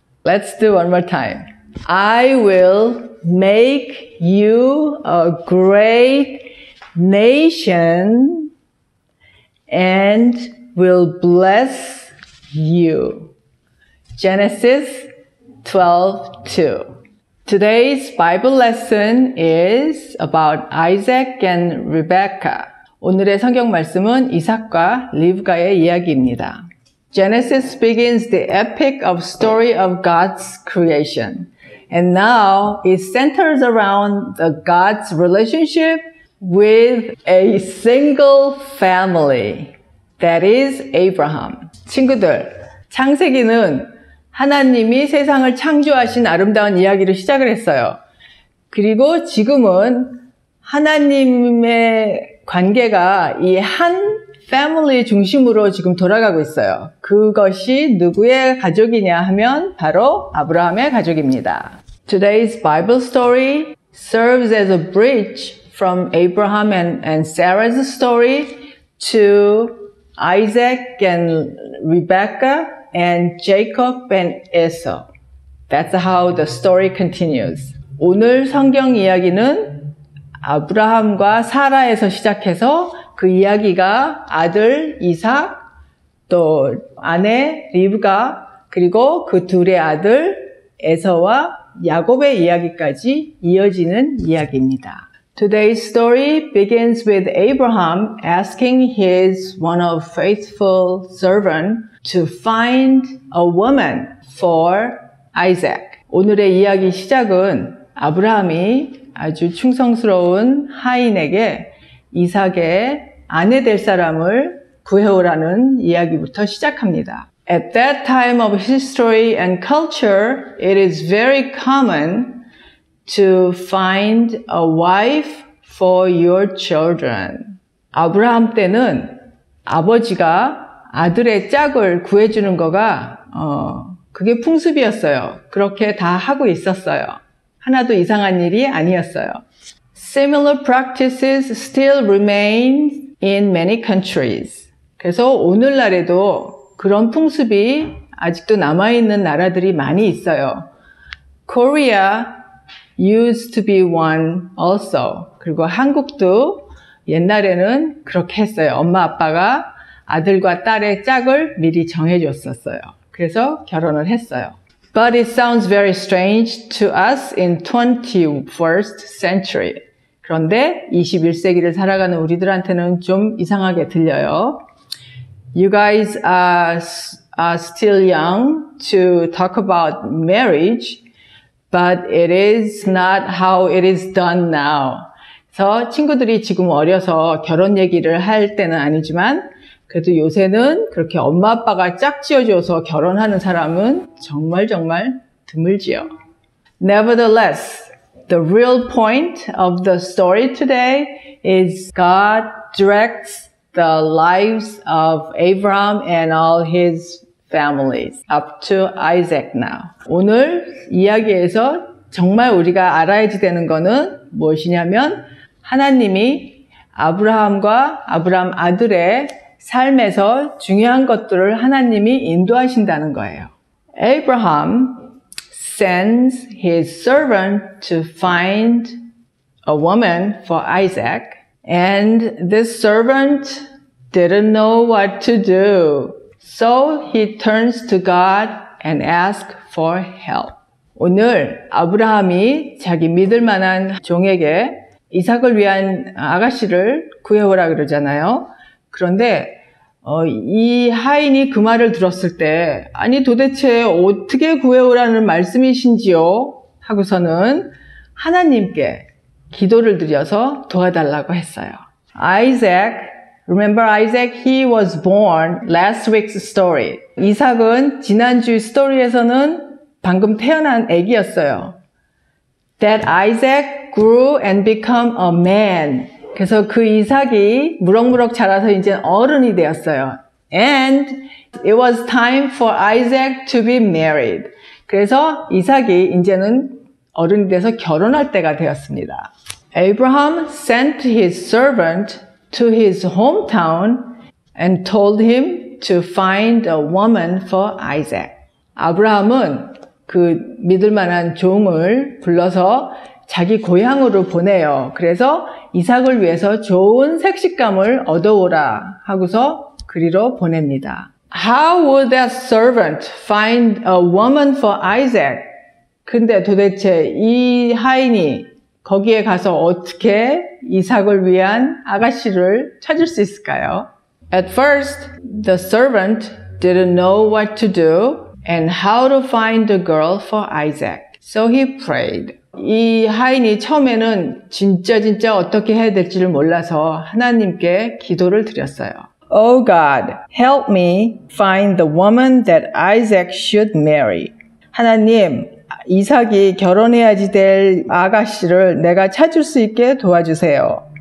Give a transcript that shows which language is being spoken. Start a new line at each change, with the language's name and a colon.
English: Let's do one more time. I will make you a great nation and will bless you. Genesis 12:2. Today's Bible lesson is about Isaac and Rebecca.
Korean: 오늘의 성경 말씀은 이삭과 리브가의 이야기입니다.
English: Genesis begins the epic of story of God's creation. And now it centers around the God's relationship with a single family. That is Abraham.
Korean: 친구들, 창세기는 하나님이 세상을 창조하신 아름다운 이야기로 시작을 했어요. 그리고 지금은 하나님의 관계가 이 한 family 중심으로 지금 돌아가고 있어요. 그것이 누구의 가족이냐 하면 바로 아브라함의 가족입니다.
English: Today's Bible story serves as a bridge from Abraham and Sarah's story to Isaac and Rebecca and Jacob and Esau. That's how the story continues.
Korean: 오늘 성경 이야기는 아브라함과 사라에서 시작해서 그 이야기가 아들 이삭, 또 아내 리브가, 그리고 그 둘의 아들 에서와 야곱의 이야기까지 이어지는 이야기입니다.
English: Today's story begins with Abraham asking his one of faithful servant to find a woman for Isaac.
Korean: 오늘의 이야기 시작은 아브라함이 아주 충성스러운 하인에게 이삭의 아내 될 사람을 구해오라는 이야기부터 시작합니다.
English: At that time of history and culture, it is very common to find a wife for your children.
Korean: 아브라함 때는 아버지가 아들의 짝을 구해주는 거가 그게 풍습이었어요. 그렇게 다 하고 있었어요. 하나도 이상한 일이 아니었어요.
English: Similar practices still remain in many countries.
Korean: 그래서 오늘날에도 그런 풍습이 아직도 남아있는 나라들이 많이 있어요.
English: Korea used to be one also.
Korean: 그리고 한국도 옛날에는 그렇게 했어요. 엄마 아빠가 아들과 딸의 짝을 미리 정해줬었어요. 그래서 결혼을 했어요.
English: But it sounds very strange to us in 21st century.
Korean: 그런데 21세기를 살아가는 우리들한테는 좀 이상하게 들려요.
English: You guys are still young to talk about marriage, but it is not how it is done now.
Korean: 그래서 친구들이 지금 어려서 결혼 얘기를 할 때는 아니지만 그래도 요새는 그렇게 엄마 아빠가 짝 지어줘서 결혼하는 사람은 정말 정말 드물지요.
English: Nevertheless, the real point of the story today is God directs the lives of Abraham and all his families up to Isaac now.
Korean: 오늘 이야기에서 정말 우리가 알아야지 되는 거는 무엇이냐면 하나님이 아브라함과 아브라함 아들의 삶에서 중요한 것들을 하나님이 인도하신다는 거예요.
English: Abraham sends his servant to find a woman for Isaac, and this servant didn't know what to do. So he turns to God and asks for help.
Korean: 오늘 아브라함이 자기 믿을 만한 종에게 이삭을 위한 아가씨를 구해오라 그러잖아요. 그런데 이 하인이 그 말을 들었을 때 아니 도대체 어떻게 구해오라는 말씀이신지요? 하고서는 하나님께 기도를 드려서 도와달라고 했어요.
English: Isaac, remember Isaac, he was born last week's story.
Korean: 이삭은 지난주 스토리에서는 방금 태어난 아기였어요.
English: That Isaac grew and become a man.
Korean: 그래서 그 이삭이 무럭무럭 자라서 이제 어른이 되었어요.
English: And it was time for Isaac to be married.
Korean: 그래서 이삭이 이제는 어른이 돼서 결혼할 때가 되었습니다.
English: Abraham sent his servant to his hometown and told him to find a woman for Isaac.
Korean: 아브라함은 그 믿을 만한 종을 불러서 자기 고향으로 보내요. 그래서 이삭을 위해서 좋은 색식감을 얻어오라 하고서 그리로 보냅니다.
English: How would that servant find a woman for Isaac?
Korean: 근데 도대체 이 하인이 거기에 가서 어떻게 이삭을 위한 아가씨를 찾을 수 있을까요?
English: At first, the servant didn't know what to do and how to find a girl for Isaac. So he prayed.
Korean: 이 하인이 처음에는 진짜 어떻게 해야 될지를 몰라서 하나님께 기도를 드렸어요.
English: Oh God, help me find the woman that Isaac should marry.
Korean: 하나님, 이삭이 결혼해야지 될 아가씨를 내가 찾을 수 있게 도와주세요.